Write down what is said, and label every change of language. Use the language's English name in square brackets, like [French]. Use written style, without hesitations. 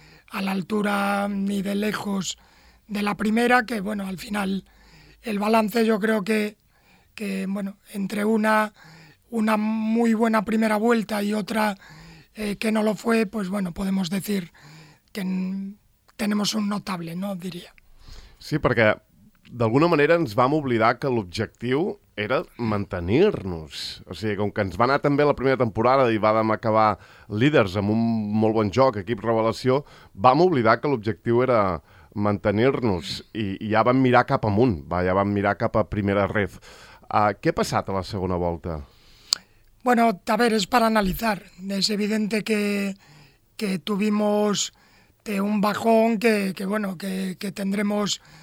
[Spanish] a la altura ni de lejos de la primera, que bueno, al final el balance yo creo que bueno, entre una muy buena primera vuelta y otra que no lo fue, pues bueno, podemos decir que tenemos un notable, ¿no? Diría. Sí, porque [Catalan] d'alguna manera ens vam oblidar que l'objectiu era mantenir-nos. O sigui, com que ens va anar també la primera temporada i vam acabar líders amb un molt bon joc, equip revelació, vam oblidar que l'objectiu era mantenir-nos i ja vam mirar cap amunt, ja vam mirar cap a primera ref. Què ha passat a la segona volta? [Spanish] Bueno, a ver, es para analizar. Es evidente que tuvimos un bajón que tendremos.